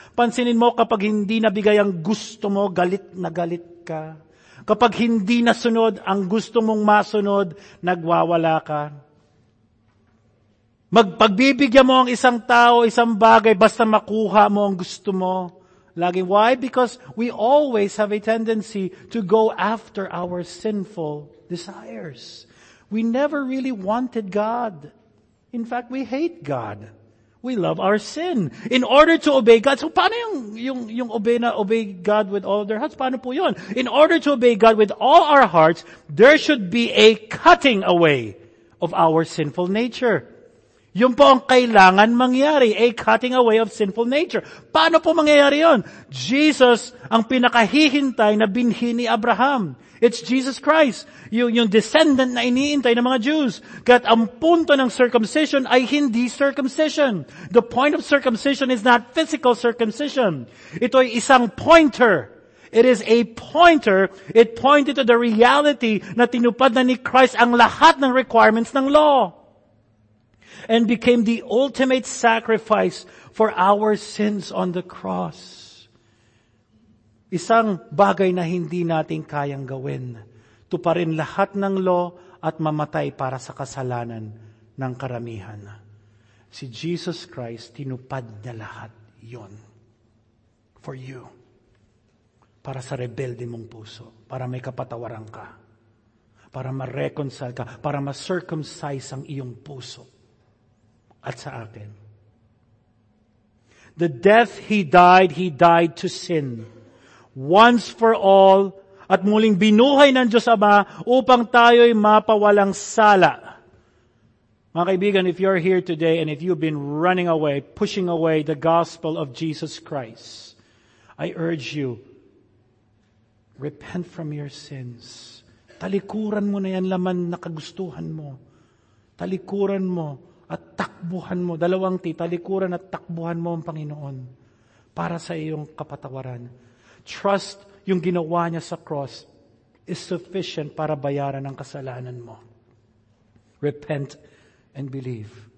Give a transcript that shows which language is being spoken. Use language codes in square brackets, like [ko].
[tl] Pansinin mo kapag hindi nabigay ang gusto mo, galit na galit ka. Kapag hindi nasunod ang gusto mong masunod, nagwawala ka. Magpagbibigyan mo ang isang tao, isang bagay, basta makuha mo ang gusto mo. Lagi. Why? [en] Because we always have a tendency to go after our sinful desires. We never really wanted God. In fact, we hate God. We love our sin. In order to obey God, so paano yung obey na obey God with all their hearts? [tl] Paano po yun? [en] In order to obey God with all our hearts, there should be a cutting away of our sinful nature. [tl] Yun po ang kailangan mangyari, [en] a cutting away of sinful nature. [tl] Paano po mangyayari yun? Jesus ang pinakahihintay na binhi ni Abraham. It's Jesus Christ, yung descendant na iniintay ng mga Jews. Kaya ang punto ng circumcision ay hindi circumcision. [en] The point of circumcision is not physical circumcision. [tl] Ito ay isang pointer. [en] It is a pointer. It pointed to the reality [tl] na tinupad na ni Christ ang lahat ng requirements ng law. [en] And became the ultimate sacrifice for our sins on the cross. [tl] Isang bagay na hindi natin kayang gawin. Tuparin lahat ng law at mamatay para sa kasalanan ng karamihan. Si Jesus Christ, tinupad na lahat yon [en] for you. [tl] Para sa rebelde mong puso. Para may kapatawaran ka. Para ma-reconcile ka. Para ma-circumcise ang iyong puso. At sa akin. [en] The death he died to sin. Once for all, [tl] at muling binuhay ng Diyos Ama upang tayo'y mapawalang sala. Mga kaibigan, [en] if you're here today and if you've been running away, pushing away the gospel of Jesus Christ, I urge you, repent from your sins. [tl] Talikuran mo na yan laman na kagustuhan mo. Talikuran mo. At takbuhan mo, dalawang talikuran at takbuhan mo ang Panginoon para sa iyong kapatawaran. Trust yung ginawa niya sa cross is sufficient para bayaran ang kasalanan mo. [en] Repent and believe.